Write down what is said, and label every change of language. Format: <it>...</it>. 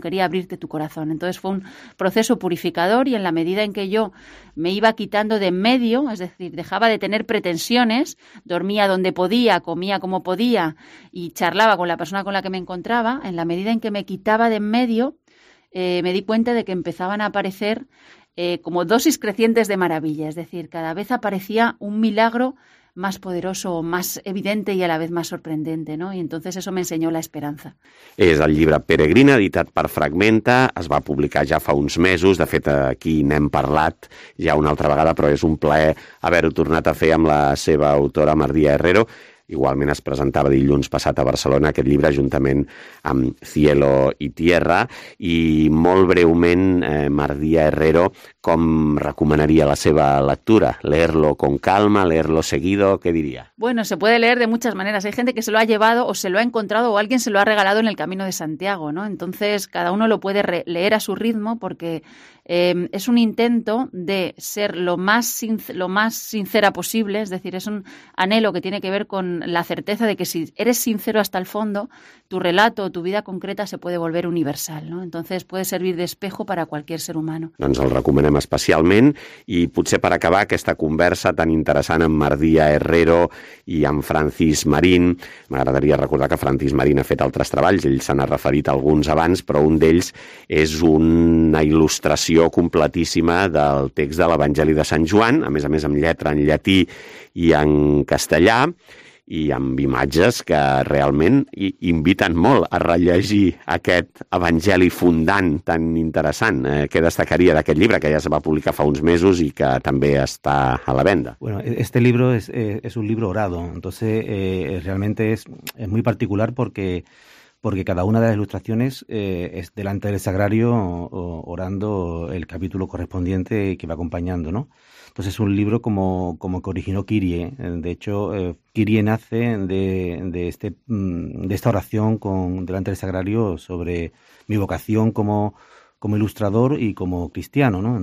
<es>Quería abrirte tu corazón. Entonces fue un proceso purificador y en la medida en que yo me iba quitando de en medio, es decir, dejaba de tener pretensiones, dormía donde podía, comía como podía y charlaba con la persona con la que me encontraba, en la medida en que me quitaba de en medio, me di cuenta de que empezaban a aparecer como dosis crecientes de maravilla, es decir, cada vez aparecía un milagro más poderoso, más evidente y a la vez más sorprendente, ¿no? Y entonces eso me enseñó la esperanza.</es> <ca>És el llibre Peregrina, editat per Fragmenta, es va publicar ja fa uns mesos, de fet aquí n'hem parlat ja una altra vegada, però és un plaer haver-ho tornat a fer amb la seva autora, Maria Herrero. Igualment es presentava dilluns passat a Barcelona aquest llibre juntament amb Cielo y Tierra. I molt breument, Maria Herrero, com recomanaria la seva lectura?</ca> <es>¿Leerlo con calma? ¿Leerlo seguido? ¿Qué diría? Bueno, se puede leer de muchas maneras. Hay gente que se lo ha llevado o se lo ha encontrado o alguien se lo ha regalado en el Camino de Santiago, ¿no? Entonces, cada uno lo puede leer a su ritmo porque es un intento de ser lo más sincera posible. Es decir, es un anhelo que tiene que ver con la certeza de que si eres sincero hasta el fondo, tu relato o tu vida concreta se puede volver universal, ¿no? Entonces puede servir de espejo para cualquier ser humano.</es> <ca>Doncs el recomanem especialment i potser per acabar aquesta conversa tan interessant amb Maria Herrero i amb Francis Marín. M'agradaria recordar que Francis Marín ha fet altres treballs, ell se n'ha referit alguns abans, però un d'ells és una il·lustració completíssima del text de l'Evangeli de Sant Joan, a més amb lletra en llatí i en castellà, i amb imatges que realment inviten molt a rellegir aquest evangeli fundant tan interessant. Què destacaria d'aquest llibre, que ja es va publicar fa uns mesos i que també està a la venda?</ca> <es>Bueno, este libro es un libro orado, entonces realmente es muy particular porque cada una de las ilustraciones es delante del sagrario orando el capítulo correspondiente que va acompañando, ¿no? Entonces es un libro como que originó Kyrie. De hecho, Kyrie nace de esta oración delante del sagrario sobre mi vocación como ilustrador y como cristiano, ¿no?</es>